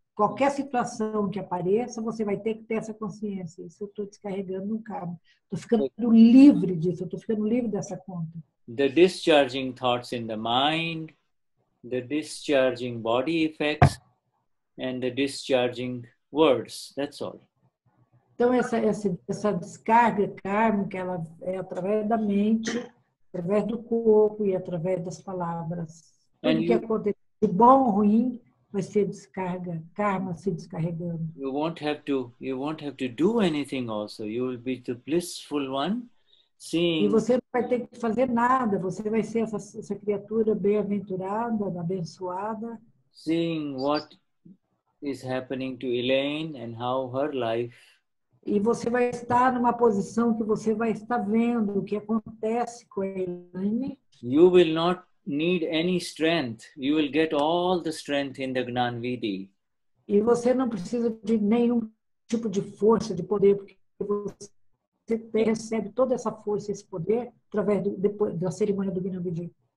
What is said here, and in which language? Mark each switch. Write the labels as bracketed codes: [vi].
[pt] Qualquer situação que apareça, você vai ter que ter essa consciência. Isso eu estou descarregando um karma. Estou ficando livre disso, estou ficando livre dessa conta. [en] The discharging thoughts in the mind, the discharging body effects, and the discharging words, that's all. [pt] Então, essa descarga kármica, ela é através da mente, através do corpo e através das palavras. Tudo que acontecer de bom ou ruim, vai ser descarga, karma se descarregando. [en] You won't have to do anything also. You will be the blissful one, seeing... [pt] E você não vai ter que fazer nada. Você vai ser essa criatura bem-aventurada, abençoada. [en] Seeing what is happening to Elaine and how her life... [pt] E você vai estar numa posição que você vai estar vendo o que acontece com a Elaine. [en] You will not need any strength. You will get all the strength in the Gnanvidhi. [pt] E você não precisa de nenhum tipo de força, de poder, porque você recebe toda essa força, esse poder, através do, depois, da cerimônia do Gnani.